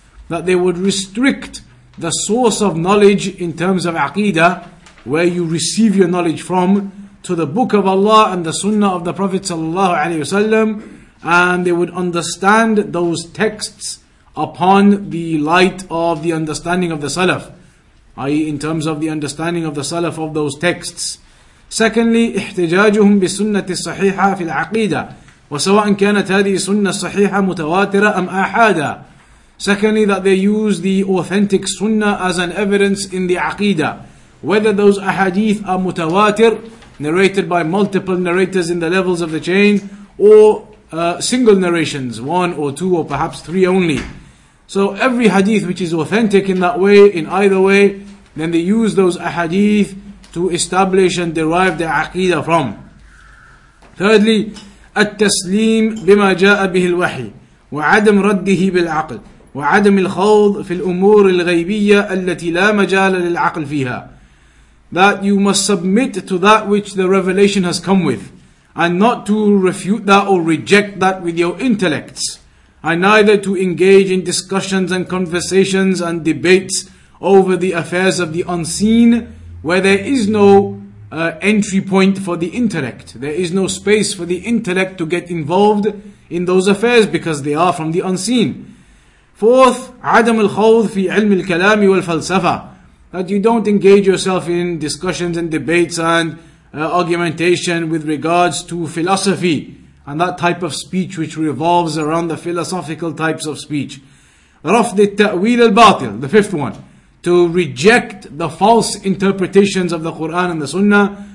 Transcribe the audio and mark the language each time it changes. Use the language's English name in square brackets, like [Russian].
[English] That they would restrict the source of knowledge in terms of Aqeedah, where you receive your knowledge from, to the Book of Allah and the Sunnah of the Prophet sallallahu alaihi wasallam, and they would understand those texts upon the light of the understanding of the Salaf, i.e. in terms of the understanding of the Salaf of those texts. Secondly, [Arabic] احتجاجهم بالسنة الصحيحة في العقيدة وسواء كانت هذه السنة الصحيحة متواترة أم أحادا. [English] Secondly, that they use the authentic sunnah as an evidence in the aqeedah, whether those ahadith are mutawatir, narrated by multiple narrators in the levels of the chain, or single narrations, one or two or perhaps three only. So every hadith which is authentic in that way, in either way, then they use those ahadith to establish and derive their aqeedah from. Thirdly, [Arabic] التسليم بما جاء به الوحي وعدم رده بالعقل وعدم الخوض في الأمور الغيبية التي لا مجال للعقل فيها. [English] That you must submit to that which the revelation has come with, and not to refute that or reject that with your intellects, and neither to engage in discussions and conversations and debates over the affairs of the unseen, where there is no entry point for the intellect. There is no space for the intellect to get involved in those affairs because they are from the unseen. Fourth, [Arabic] عدم الخوض في علم الكلام والفلسفة. [English] That you don't engage yourself in discussions and debates and argumentation with regards to philosophy and that type of speech which revolves around the philosophical types of speech. [Arabic] رفض التأويل الباطل, [English] the fifth one, to reject the false interpretations of the Quran and the Sunnah.